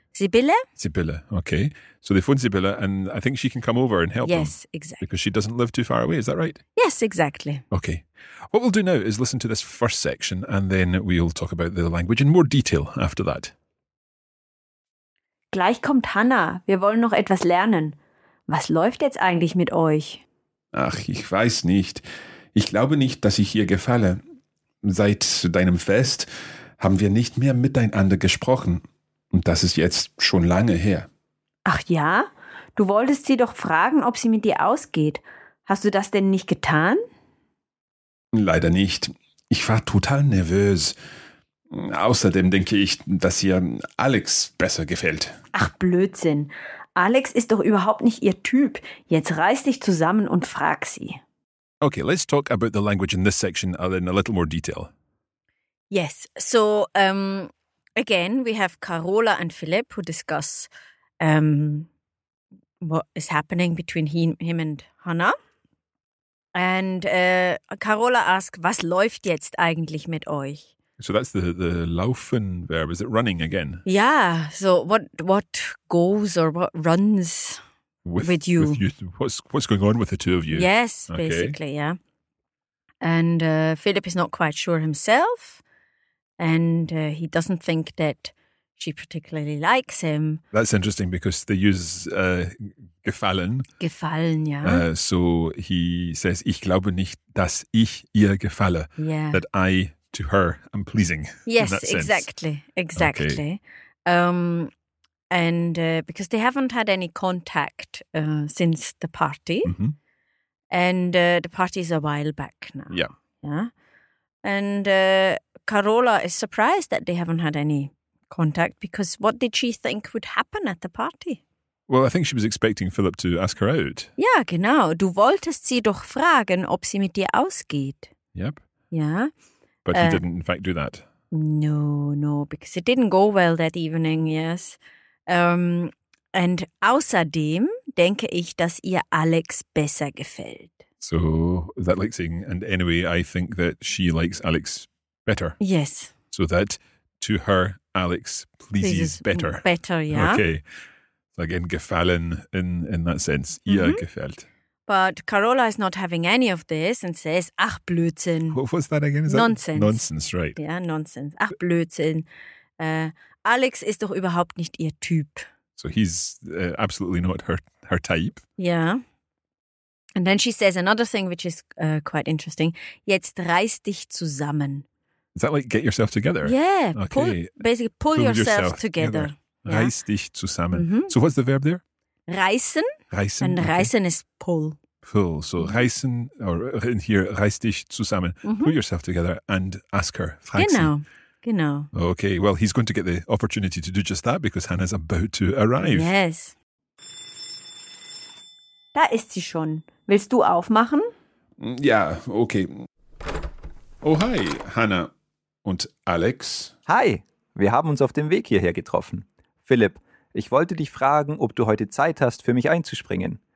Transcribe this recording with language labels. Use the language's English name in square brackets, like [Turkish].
[English] Sibylle, okay. So they phone Sibylle and I think she can come over and help them. Yes, exactly. Because she doesn't live too far away, is that right? Yes, exactly. Okay. What we'll do now is listen to this first section and then we'll talk about the language in more detail after that. [German] Gleich kommt Hannah. Wir wollen noch etwas lernen. Was läuft jetzt eigentlich mit euch? Ach, ich weiß nicht. Ich glaube nicht, dass ich hier gefalle. Seit deinem Fest haben wir nicht mehr miteinander gesprochen. Und das ist jetzt schon lange her. Ach ja? Du wolltest sie doch fragen, ob sie mit dir ausgeht. Hast du das denn nicht getan? Leider nicht. Ich war total nervös. Außerdem denke ich, dass ihr Alex besser gefällt. Ach Blödsinn. Alex ist doch überhaupt nicht ihr Typ. Jetzt reiß dich zusammen und frag sie. [English] Okay, let's talk about the language in this section in a little more detail. Yes, so again, we have Carola and Philip who discuss what is happening between him and Hannah. And Carola asks, [German] was läuft jetzt eigentlich mit euch? [English] So that's the laufen verb. Is it running again? Yeah. So what goes or what runs with you? With you? What's going on with the two of you? Yes, okay. Basically, yeah. And Philip is not quite sure himself. And he doesn't think that she particularly likes him. That's interesting because they use gefallen. [German] Gefallen, ja. [English] So he says, [German] ich glaube nicht, dass ich ihr gefalle. [English] Yeah. That I, to her, am pleasing. Yes, exactly. Okay. Because they haven't had any contact since the party. Mm-hmm. And the party is a while back now. Yeah. Yeah. And Carola is surprised that they haven't had any contact because what did she think would happen at the party? Well, I think she was expecting Philip to ask her out. [German] Ja, genau. Du wolltest sie doch fragen, ob sie mit dir ausgeht. [English] Yep. Yeah. But he didn't in fact do that. No, because it didn't go well that evening, yes. And [German] außerdem denke ich, dass ihr Alex besser gefällt. [English] So, is that like saying, and anyway, I think that she likes Alex better? Yes. So that, to her, Alex pleases better. Better, yeah. Okay. So again, gefallen in that sense. [German] Mm-hmm. Ihr gefällt. [English] But Carola is not having any of this and says, [German] ach, Blödsinn. [English] What's that again? Is nonsense. That nonsense, right. Yeah, nonsense. [German] Ach, Blödsinn. Alex ist doch überhaupt nicht ihr Typ. [English] So he's absolutely not her type. Yeah. And then she says another thing, which is quite interesting. [German] Jetzt reiß dich zusammen. [English] Is that like get yourself together? Yeah. Okay. Pull yourself together. [German] Yeah. Reiß dich zusammen. Mm-hmm. [English] So what's the verb there? [German] Reißen. Reißen. [English] And okay. Reißen is pull. Pull. So reißen, or in here, [German] reiß dich zusammen. Mm-hmm. [English] Pull yourself together and ask her. [German] Frag genau. Sie. Genau. [English] Okay. Well, he's going to get the opportunity to do just that because Hannah's about to arrive. Yes. [German] Da ist sie schon. Willst du aufmachen? Ja, okay. Oh, hi, Hannah und Alex. Hi, wir haben uns auf dem Weg hierher getroffen. Philipp, ich wollte dich fragen, ob du heute Zeit hast, für mich einzuspringen.